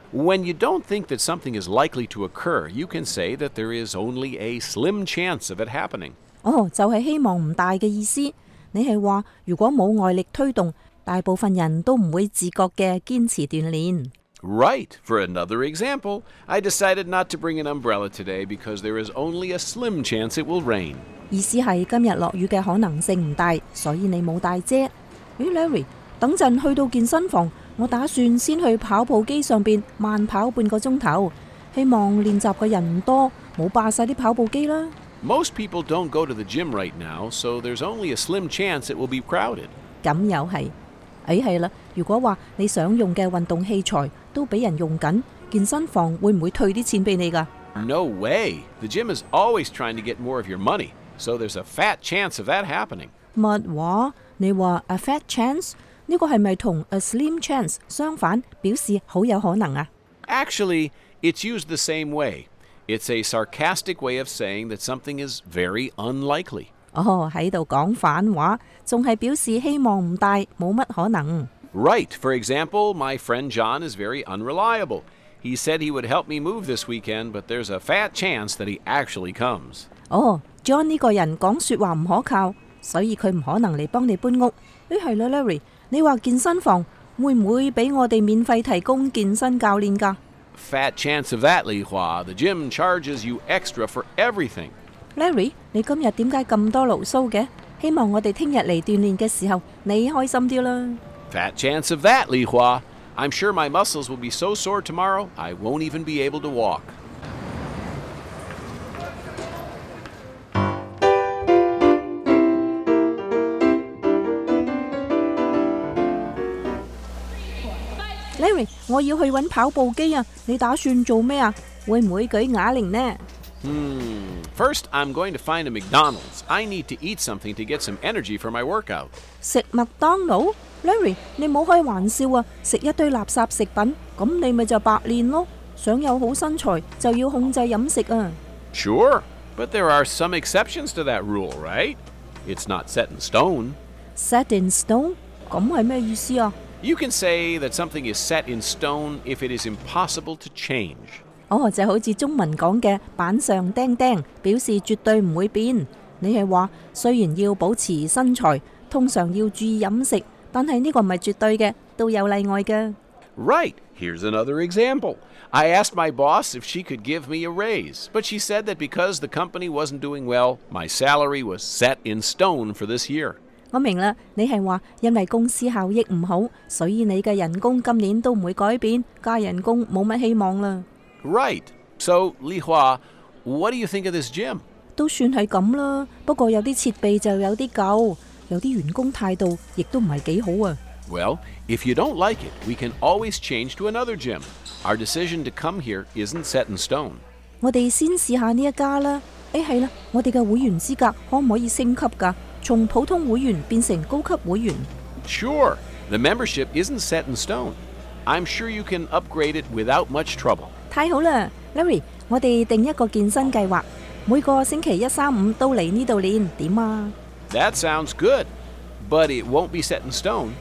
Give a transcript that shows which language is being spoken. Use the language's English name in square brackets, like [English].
[English] When you don't think that something is likely to occur, you can say that there is only a slim chance of it happening. [Cantonese] 哦,就係希望唔大嘅意思。你係話如果冇外力推動,大部分人都唔會自覺嘅堅持鍛鍊。 [English] Right. For another example, I decided not to bring an umbrella today because there is only a slim chance it will rain. [Cantonese] 意思是今天落雨的可能性不大，所以你没带遮。咦 Larry, 等阵去到健身房，我打算先去跑步机上面慢跑半个钟头，希望练习的人不多，没霸晒啲跑步机啦。 [English] Most people don't go to the gym right now, so there's only a slim chance it will be crowded. [Cantonese] 咁又是。哎，系啦，如果话你想用嘅运动器材都俾人用紧，健身房会唔会退啲钱俾你噶 [English] ？No way! The gym is always trying to get more of your money, so there's a fat chance of that happening. [Cantonese] 乜话？你话 a fat chance 呢个系咪同 a slim chance 相反，表示好有可能啊 [English] ？Actually, it's used the same way. It's a sarcastic way of saying that something is very unlikely. [Cantonese] 哦，喺度讲反话，仲系表示希望唔大，冇乜可能。 [English] Right. For example, my friend John is very unreliable. He said he would help me move this weekend, but there's a fat chance that he actually comes. [Cantonese] 哦 ，John 呢个人讲说话唔可靠，所以佢唔可能嚟帮你搬屋。诶，系啦 ，Larry， 你话健身房会唔会俾我哋免费提供健身教练噶 [English] ？Fat chance of that, Li Hua. The gym charges you extra for everything. [Cantonese] Larry, 你今日点解咁多牢骚嘅？希望我哋听日嚟锻炼嘅时候，你开心啲啦。 Fat chance of that, Li Hua. I'm sure my muscles will be so sore tomorrow, I won't even be able to walk. Larry, 我要去揾跑步机啊！你打算做咩啊？会唔会举哑铃呢？ [English] First, I'm going to find a McDonald's. I need to eat something to get some energy for my workout. [Cantonese] 食麦当劳 ？Larry， 你唔好开玩笑啊！食一堆垃圾食品，咁你咪就白练咯。想有好身材，就要控制饮食啊。 [English] Sure, but there are some exceptions to that rule, right? It's not set in stone. [Cantonese] Set in stone？ 咁系咩意思啊 [English] ？You can say that something is set in stone if it is impossible to change. [Cantonese] 哦，就好似中文讲嘅板上钉钉，表示绝对唔会变。你系话虽然要保持身材，通常要注意饮食，但系呢个唔系绝对嘅，都有例外嘅。 [English] Right, here's another example. I asked my boss if she could give me a raise, but she said that because the company wasn't doing well, my salary was set in stone for this year. [Cantonese] 我明啦，你系话因为公司效益唔好，所以你嘅人工今年都唔会改变，加人工冇乜希望啦。 [English] Right. So, Li Hua, what do you think of this gym? [Cantonese] 都算系咁啦，不过有啲设备就有啲旧，有啲员工态度亦都唔系几好啊。 [English] Well, if you don't like it, we can always change to another gym. Our decision to come here isn't set in stone. [Cantonese] 我哋先试下呢一家啦。诶，系啦，我哋嘅会员资格可唔可以升级噶？从普通会员变成高级会员 [English] ？Sure. The membership isn't set in stone. I'm sure you can upgrade it without much trouble. [Cantonese] 太好了 ，Larry， 我哋定一个健身计划，每个星期一、三、五都嚟呢度练，点啊 [English] ？That sounds good, but it won't be set in stone.